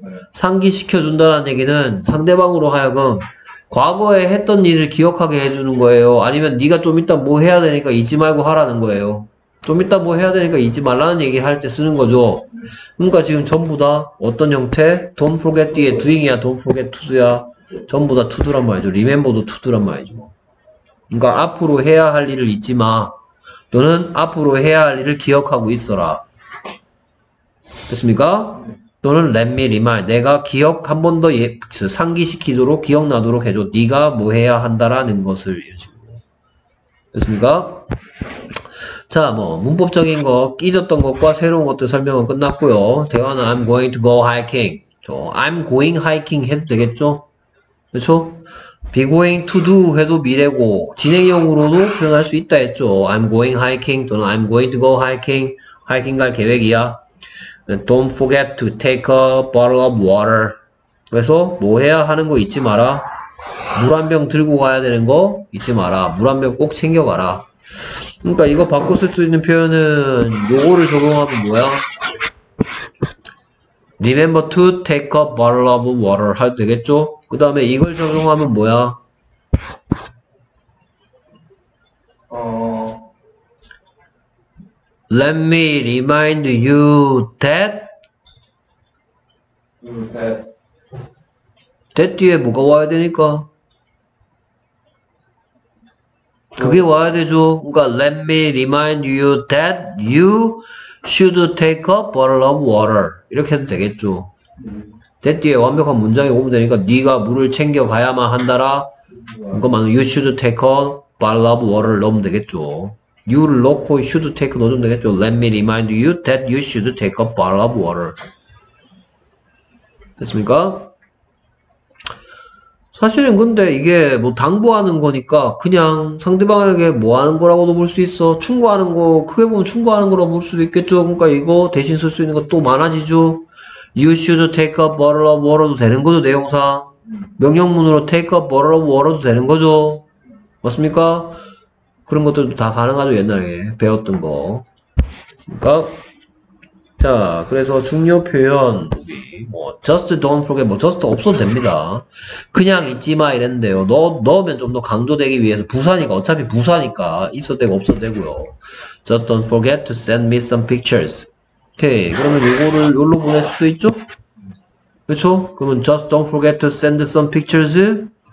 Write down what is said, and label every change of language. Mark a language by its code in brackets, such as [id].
[ko] 네. 상기시켜준다는 얘기는 상대방으로 하여금 과거에 했던 일을 기억하게 해주는 거예요. 아니면 네가 좀 이따 뭐 해야 되니까 잊지 말고 하라는 거예요. 좀 이따 뭐 해야 되니까 잊지 말라는 얘기 할 때 쓰는 거죠. 그러니까 지금 전부 다 어떤 형태? [en] Don't forget the doing이야, don't forget to do야. [ko] 전부 다 to do란 말이죠. Remember도 to do란 말이죠. 그러니까 앞으로 해야 할 일을 잊지 마. 너는 앞으로 해야 할 일을 기억하고 있어라. 됐습니까? 너는 [en] let me remind. [ko] 내가 기억 한 번 더 상기시키도록 기억나도록 해줘. 네가 뭐 해야 한다라는 것을. 됐습니까? 자, 뭐 문법적인 거, 잊었던 것과 새로운 것들 설명은 끝났고요. [en] 대화는 I'm going to go hiking. 저 I'm going hiking [ko] 해도 되겠죠? 그렇죠? Be going to do 해도 미래고, 진행형으로도 표현할 수 있다 했죠. [en] I'm going hiking 또는 I'm going to go hiking. hiking [ko] 갈 계획이야. [en] Don't forget to take a bottle of water. [ko] 그래서 뭐 해야 하는 거 잊지 마라. 물 한 병 들고 가야 되는 거 잊지 마라. 물 한 병 꼭 챙겨가라. 그러니까 이거 바꿔 쓸 수 있는 표현은 요거를 적용하면 뭐야? [en] Remember to take a bottle of water [ko] 해도 되겠죠? 그 다음에 이걸 적용하면 뭐야? 어... [en] Let me remind you that? That [ko] 뒤에 뭐가 와야 되니까? 그게 와야 되죠. 그러니까 [en] Let me remind you that you should take a bottle of water. [ko] 이렇게 해도 되겠죠. 대 뒤에 완벽한 문장이 오면 되니까 네가 물을 챙겨 가야만 한다라. [en] 그것만 you should take a bottle of water [ko] 넣으면 되겠죠. you를 넣고 should take 넣으면 되겠죠. [en] let me remind you that you should take a bottle of water. [ko] 됐습니까? 사실은 근데 이게 뭐 당부하는 거니까 그냥 상대방에게 뭐 하는 거라고도 볼 수 있어. 충고하는 거, 크게 보면 충고하는 거라고 볼 수도 있겠죠. 그러니까 이거 대신 쓸 수 있는 거 또 많아지죠. [en] You should take a bottle of water도 되는 거죠, [ko] 내용상. 명령문으로 [en] take a bottle of water도 되는 거죠. [ko] 맞습니까? 그런 것들도 다 가능하죠, 옛날에 배웠던 거. 됐습니까? 자, 그래서 중요 표현. 뭐, [en] just don't forget, [ko] 뭐, just 없어도 됩니다. 그냥 잊지 마, 이랬는데요. 넣으면 좀 더 강조되기 위해서, 부사니까, 어차피 부사니까, 있어도 되고, 없어도 되고요. [en] Just don't forget to send me some pictures. [ko] 오케이. 그러면 요거를 요로 보낼 수도 있죠? 그렇죠? 그러면 [en] just don't forget to send some pictures.